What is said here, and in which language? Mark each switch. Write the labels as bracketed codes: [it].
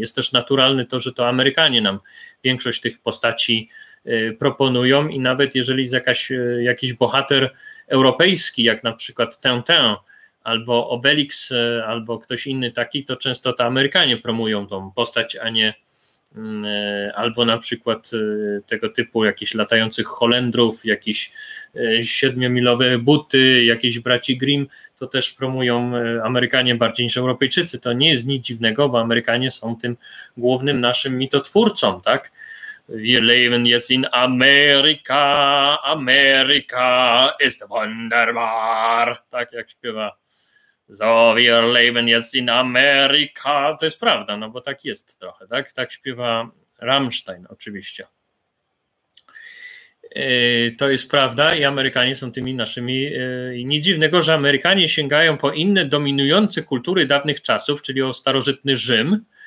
[pl] Jest też naturalne to, że to Amerykanie nam większość tych postaci proponują i nawet jeżeli jest jakiś bohater europejski, jak na przykład Tintin, albo Obelix, albo ktoś inny taki, to często to Amerykanie promują tą postać, a nie albo na przykład tego typu jakichś latających Holendrów, jakieś siedmiomilowe buty, jakieś braci Grimm, to też promują Amerykanie bardziej niż Europejczycy. To nie jest nic dziwnego, bo Amerykanie są tym głównym naszym mitotwórcą, tak? [de] Wir leben jetzt in Amerika, Amerika ist wunderbar, [pl] tak jak śpiewa. [de] So wir leben jetzt in Amerika. [pl] To jest prawda, no bo tak jest trochę, tak? Tak śpiewa Rammstein oczywiście. To jest prawda i Amerykanie są tymi naszymi. Nie dziwnego, że Amerykanie sięgają po inne dominujące kultury dawnych czasów, czyli o starożytny Rzym.